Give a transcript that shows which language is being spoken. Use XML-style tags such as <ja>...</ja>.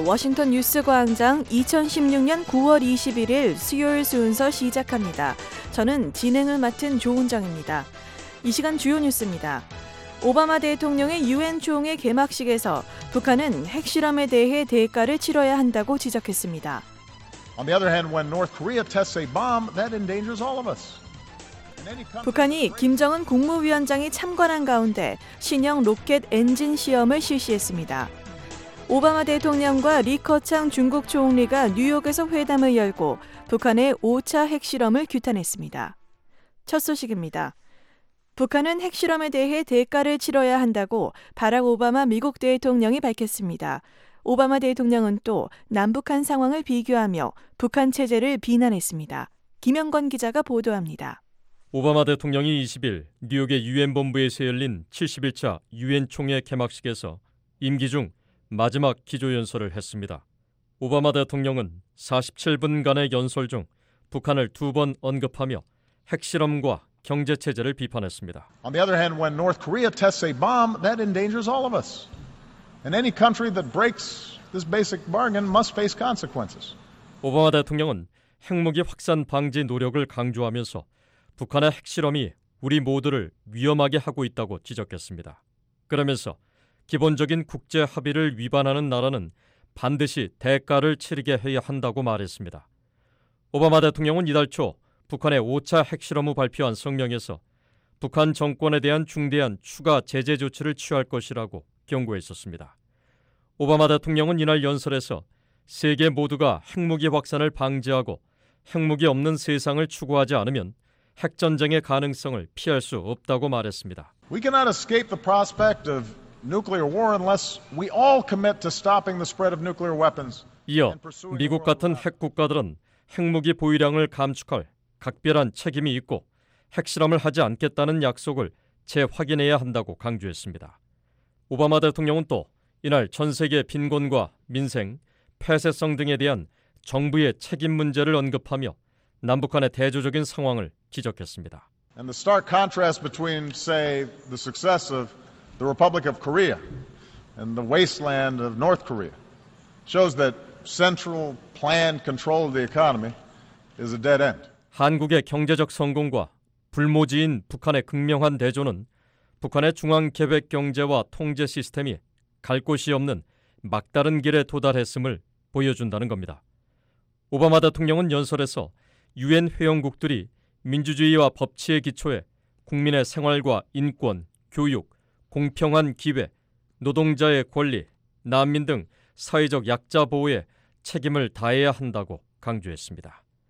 <ko>워싱턴 뉴스 광장 2016년 9월 21일 수요일 순서 시작합니다. 저는 진행을 맡은 조은정입니다. 이 시간 주요 뉴스입니다. 오바마 대통령의 유엔 총회 개막식에서 북한은 핵실험에 대해 대가를 치러야 한다고 지적했습니다.</ko> <en>On the other hand, when North Korea tests a bomb, that endangers all of us.</en> <ko>북한이 김정은 국무위원장이 참관한 가운데 신형 로켓 엔진 시험을 실시했습니다. 오바마 대통령과 리 커창 중국 총리가 뉴욕에서 회담을 열고 북한의 5차 핵실험을 규탄했습니다. 첫 소식입니다. 북한은 핵실험에 대해 대가를 치러야 한다고 바락 오바마 미국 대통령이 밝혔습니다. 오바마 대통령은 또 남북한 상황을 비교하며 북한 체제를 비난했습니다. 김영건 기자가 보도합니다. 오바마 대통령이 20일 뉴욕의 유엔 본부에서 열린 71차 유엔 총회 개막식에서 임기 중 마지막 기조연설을 했습니다. 오바마 대통령은 47분간의 연설 중 북한을 두 번 언급하며 핵실험과 경제 체제를 비판했습니다.</ko> <en>On the other hand, when North Korea tests a bomb, that endangers all of us. And any country that breaks this basic bargain must face consequences.</en> <ko>오바마 대통령은 핵무기 확산 방지 노력을 강조하면서 북한의 핵실험이 우리 모두를 위험하게 하고 있다고 지적했습니다. 그러면서 기본적인 국제 합의를 위반하는 나라는 반드시 대가를 치르게 해야 한다고 말했습니다. 오바마 대통령은 이달 초 북한의 5차 핵실험 후 발표한 성명에서 북한 정권에 대한 중대한 추가 제재 조치를 취할 것이라고 경고했었습니다. 오바마 대통령은 이날 연설에서 세계 모두가 핵무기 확산을 방지하고 핵무기 없는 세상을 추구하지 않으면 핵전쟁의 가능성을 피할 수 없다고 말했습니다.</ko> <en>We cannot escape the prospect of nuclear war unless we all commit to stopping the spread of nuclear weapons.</en> <ko>이어 미국 같은 핵국가들은 핵무기 보유량을 감축할 각별한 책임이 있고 핵실험을 하지 않겠다는 약속을 재확인해야 한다고 강조했습니다. 오바마 대통령은 또 이날 전 세계 빈곤과 민생, 폐쇄성 등에 대한 정부의 책임 문제를 언급하며 남북한의 대조적인 상황을 지적했습니다.</ko> <en>And the stark contrast between say the success of the Republic of Korea and the wasteland of North Korea shows that central planned control of the economy is a dead end.</en> <ko>한국의 경제적 성공과 불모지인 북한의 극명한 대조는 북한의 중앙계획 경제와 통제 시스템이 갈 곳이 없는 막다른 길에 도달했음을 보여준다는 겁니다. 오바마 대통령은 연설에서 유엔 회원국들이 민주주의와 법치의 기초에 국민의 생활과 인권, 교육, 공평한 기회, 노동자의 권리, 난민 등 사회적 약자 보호에 책임을 다해야 한다고 강조했습니다.</ko>